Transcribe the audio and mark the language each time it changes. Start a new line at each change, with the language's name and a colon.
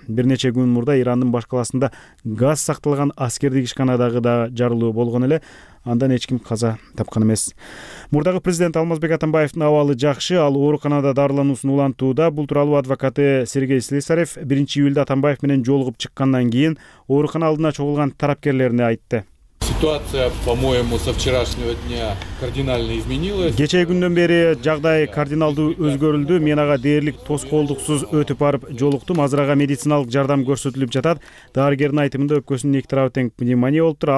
Kyrgyz: Бир нече күн мурда Ирандын баш калаасында газ сакталган аскердик ишканадагы да жарылуу болгон эле. Андан эч ким каза тапкан эмес. Мурдагы президент Алмазбек Атамбаевдин абалы жакшы, ал ооруканада дарылануусун улантууда. Бул тууралуу адвокаты Сергей Слесарев 1-июлда Атамбаев менен жолугуп чыккандан кийин оорукана алдына чогулган тарапкерлерине айтты.
Russian: Ситуация, по-моему, со вчерашнего дня кардинально изменилась.
Kyrgyz: Кечээ күндөн бери жагдай кардиналдуу өзгөрүлдү. Мен ага дээрлик тоскоолдуксуз өтүп барып жолуктум. Азырага медициналык жардам көрсөтүлүп жатат. Дарыгердин айтымында өпкөсүнүн эки тарабы тең пневмония болуп тур.